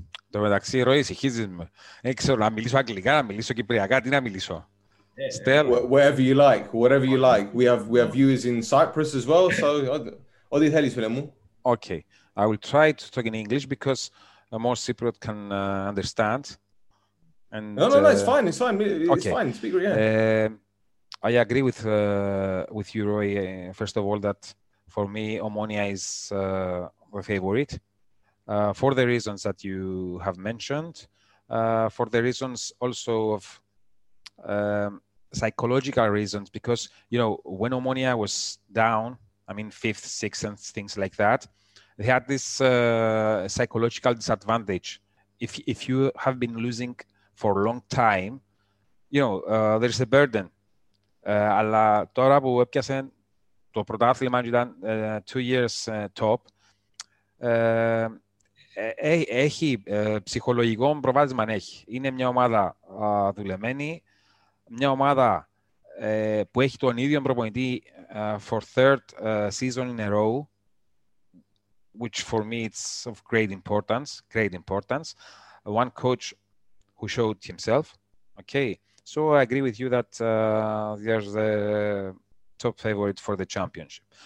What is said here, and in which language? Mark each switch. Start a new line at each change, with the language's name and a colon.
Greek: Το μεταξύ, Ροή, συγχύζεις με. Ξέρω να μιλήσω αγγλικά, να μιλήσω κυπριακά, τι να μιλήσω.
English: Yeah. Whatever you like, whatever you like. We have viewers in Cyprus as well, so what do you tell you, Filemu? Okay, I will try to talk in English because more Cypriot can understand. And, no, it's fine. It's fine. Speak, yeah. I agree with you, Roy, first of all, that for me, Omonia is my favorite. For the reasons that you have mentioned, for the reasons also of psychological reasons, because, you know, when Omonia was down, I mean, fifth, sixth, and things like that, they had this psychological disadvantage. If you have been losing for a long time, you know, there's a burden.
Greek: Αλλά τώρα που έπιασαν το πρωτάθλημα ήταν
English: 2 years top,
Greek: έχει ψυχολογικό προβάδισμα, έχει. Είναι μια ομάδα δουλεμένη, μια ομάδα που έχει τον ίδιο προπονητή
English: for third season in a row, which for me it's of great importance. One coach who showed himself. Okay, so I agree with you that they're the top favorite for the championship.